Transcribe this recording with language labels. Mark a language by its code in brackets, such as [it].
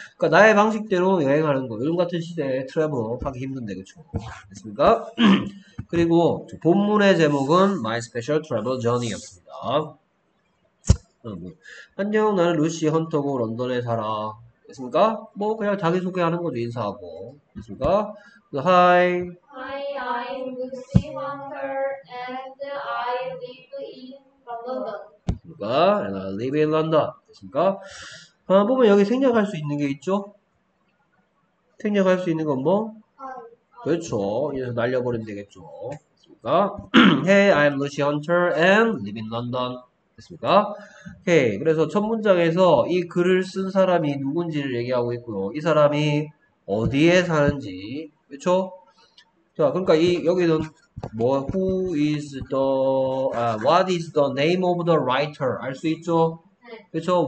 [ko] 그러니까 나의 방식대로 여행하는 거. 요즘 같은 시대에 트래블 하기 힘든데, 그쵸? 됐습니까? 그리고 본문의 제목은 [en] My Special Travel Journey [ko] 였습니다. 안녕, 나는 루시 헌터고 런던에 살아. 됐습니까? 뭐 그냥 자기소개하는 거죠. 인사하고. 됐습니까? [en] Hi. Hi, I'm Lucy Hunter and I live in London. [ko] 됐습니까? [en] And I live in London. 됐습니까? [ko] 보면 여기 생략할 수 있는 게 있죠? 생략할 수 있는 건 뭐? 그렇죠. 이래서 날려버리면 되겠죠. 됐습니까? [en] Hey, I'm Lucy Hunter and live in London. [ko] 됐습니까? 오케이. 그래서 첫 문장에서 이 글을 쓴 사람이 누군지를 얘기하고 있고요. 이 사람이 어디에 사는지. 그렇죠? 자, 그러니까 여기는 뭐 [en] who is what is the name of the writer? [ko] 알수 있죠? 그렇죠?